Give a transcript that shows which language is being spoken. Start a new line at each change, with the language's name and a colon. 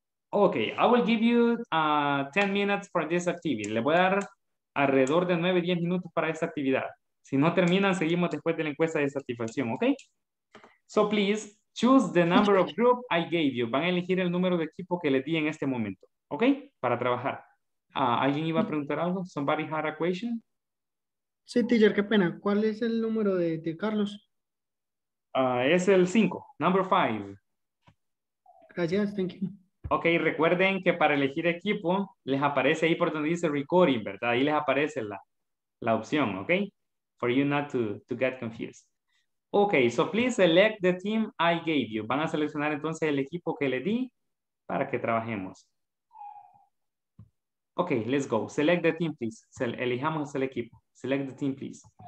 English: Ok, I will give you 10 minutes for this activity.
Spanish: Le voy a dar alrededor de 9, 10 minutos para esta actividad. Si no terminan, seguimos después de la encuesta de satisfacción. ¿Ok?
English: So please, choose the number of group I gave you.
Spanish: Van a elegir el número de equipo que les di en este momento. ¿Ok? Para trabajar. ¿Alguien iba a preguntar algo?
English: Somebody had a question?
Spanish: Sí, teacher, qué pena. ¿Cuál es el número de Carlos? Es el 5.
English: Number 5.
Spanish: Gracias,
English: thank you.
Spanish: Ok, recuerden que para elegir equipo, les aparece ahí por donde dice recording, ¿verdad? Ahí les aparece la opción, ¿ok?
English: For you not to get confused. Ok, so please select the team I gave you.
Spanish: Van a seleccionar entonces el equipo que le di para que trabajemos.
English: Ok, let's go. Select the team, please.
Spanish: Elijamos el equipo.
English: Select the team, please.